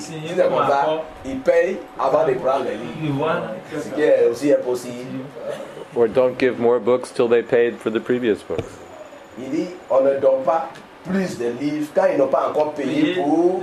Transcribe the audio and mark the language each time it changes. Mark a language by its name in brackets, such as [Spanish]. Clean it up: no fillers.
[French] Si c'est comme ça, ils payent avant de prendre les livres. Ce qui est aussi impossible. [English] Or don't give more books till they paid for the previous books. [French] Il dit, on ne donne pas plus de livres quand ils n'ont pas encore payé pour